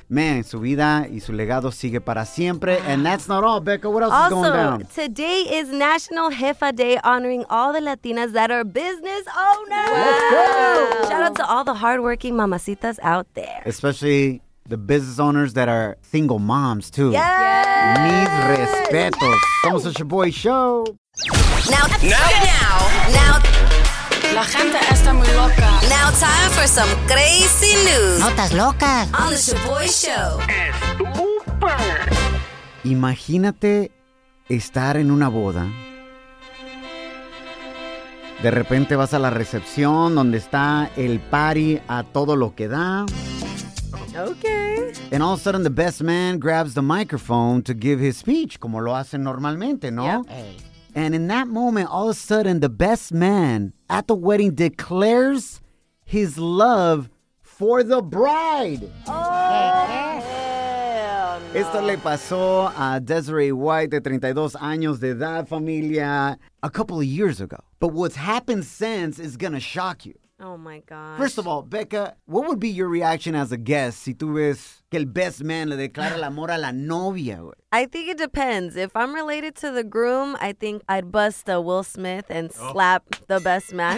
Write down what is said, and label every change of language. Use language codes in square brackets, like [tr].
[es] Man, su vida y su legado sigue para siempre. [en] And that's not all, Becca. What else also, is going down? Also, today is National Jefa Day, honoring all the Latinas that are business owners. Wow. Let's go. Shout out to all the hardworking mamacitas out there. Especially the business owners that are single moms, too. Yes. [es] Mis respetos. [en] Yes. [es] Somos el Shaboy Show. [en] Now. [es] La gente está muy loca. [en] Now time for some crazy news. [es] Notas locas. [en] On the Shaboy Show. [es] Estúpido. Imagínate estar en una boda. De repente vas a la recepción donde está el party a todo lo que da. [en] Okay. And all of a sudden, the best man grabs the microphone to give his speech, [es] como lo hacen normalmente, ¿no? [en] Yep. And in that moment, all of a sudden, the best man at the wedding declares his love for the bride. Oh, [es] esto le pasó a Desiree White, de 32 años de edad, familia, [en] a couple of years ago. But what's happened since is going to shock you. Oh, my God. First of all, Becca, what would be your reaction as a guest [es] si tú ves que el best man le declara el amor a la novia? [en] I think it depends. If I'm related to the groom, I think I'd bust a Will Smith and slap the best man.